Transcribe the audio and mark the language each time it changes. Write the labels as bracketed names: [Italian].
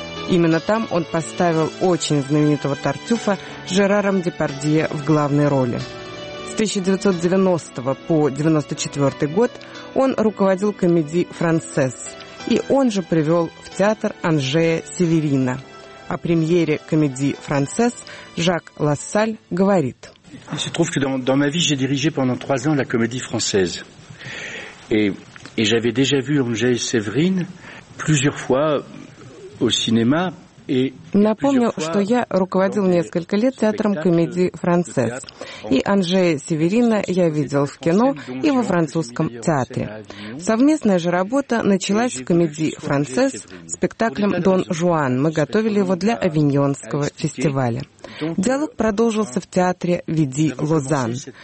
[Russian] Именно там он поставил очень знаменитого Тартюфа с Жераром Депардье в главной роли. С 1990 по 1994 год он руководил комедией «Францесс», и он же привел в театр Анжея Северина. О премьере комедии «Францесс» Жак Лассаль говорит. [French] Il se trouve que dans ma vie j'ai dirigé pendant 3 ans la comédie française. Et j'avais déjà vu Анжея Северина plusieurs fois au cinéma. [Russian] Напомню, что я руководил несколько лет театром комедии «Францесс». И Анжея Северина я видел в кино и во французском театре. Совместная же работа началась в комедии «Францесс» спектаклем «Дон Жуан». Мы готовили его для Авиньонского фестиваля. Диалог продолжился в театре «Види Лозанн».